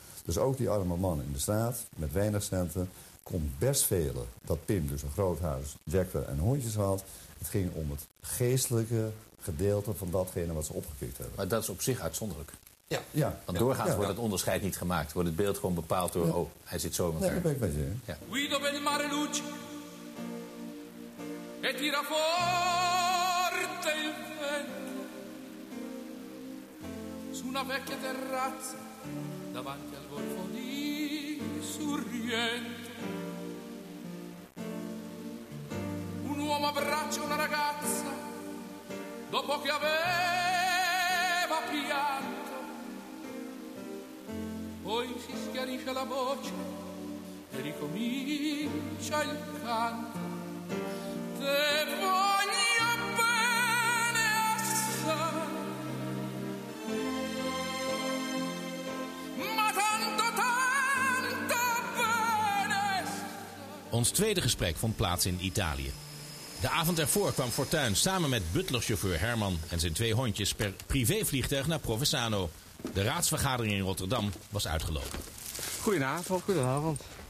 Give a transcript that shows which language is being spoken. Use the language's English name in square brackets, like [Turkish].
[Dutch] Dus ook die arme man in de straat met weinig centen kon best velen dat Pim dus een groot huis, jacken en hondjes had. Het ging om het geestelijke gedeelte van datgene wat ze opgepikt hebben. Maar dat is op zich uitzonderlijk. Ja, ja. Want doorgaans wordt het onderscheid niet gemaakt. Wordt het beeld gewoon bepaald door, oh, hij zit zo in elkaar. Nee, dat ben ik met je. Ja. Guido ben Mareluccio. [Italian] E tira forte il vento su una vecchia terrazza davanti al golfo di Sorrento. Un uomo abbraccia una ragazza dopo che aveva pianto. Poi si schiarisce la voce e ricomincia il canto. [Neapolitan] Te voglio bene assai, ma tanto, tanto bene assai. [Dutch] Ons tweede gesprek vond plaats in Italië. De avond ervoor kwam Fortuin samen met butlerchauffeur Herman en zijn twee hondjes per privévliegtuig naar Provenzano. De raadsvergadering in Rotterdam was uitgelopen. Goedenavond, goedenavond.